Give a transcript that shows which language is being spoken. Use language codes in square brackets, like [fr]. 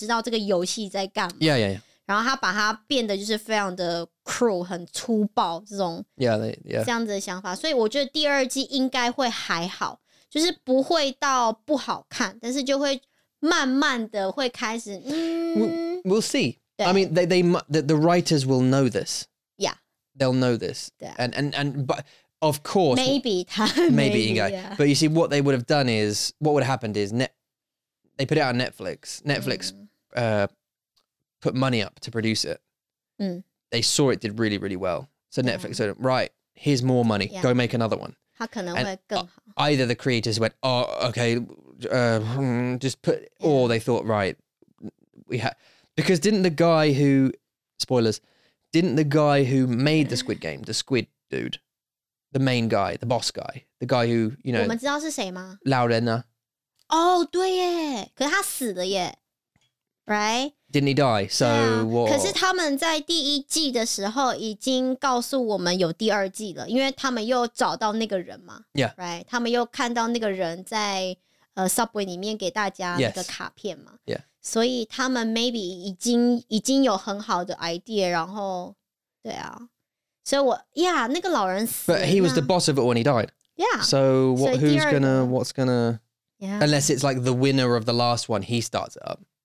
[zh] 所以如果你是韩国人,或是你知道,你是亚洲的国家,你从亚洲国家来,你可能知道这个游戏在干嘛。 [en] Yeah. [zh] 然后他把它变得就是非常的cruel,很粗暴,这种。这样子的想法,所以我觉得第二季应该会还好,就是不会到不好看,但是就会慢慢的会开始, [en] We'll see. 对。 I mean, the writers will know this. Yeah. They'll know this. 对。 And but... Of course. Maybe. But you see, what they would have done is, what would have happened is, they put it on Netflix. Netflix put money up to produce it. Mm. They saw it did really, really well. So Netflix said, right, here's more money. Yeah. Go make another one. And, either the creators went, oh, okay, just put, or they thought, right, we have, because didn't the guy who, spoilers, didn't the guy who made the Squid Game, the squid dude, the main guy, the boss guy, the guy who, you know, [zh] 我们知道是谁吗? 老人啊。 Oh, 对耶,可是他死了耶, right? [en] Didn't he die? So what? [zh] 可是他们在第一季的时候已经告诉我们有第二季了, 因为他们又找到那个人嘛, [en] yeah. right? [zh] 他们又看到那个人在 Subway里面给大家那个卡片嘛, [en] yes. yeah. [zh] 所以他们maybe已经有很好的idea, 然后,对啊, [en] so yeah, [zh] 那个老人死了, [en] but he was the boss of it when he died. Yeah. So what? So who's gonna, what's gonna, yeah. unless it's like the winner of the last one, he starts it up.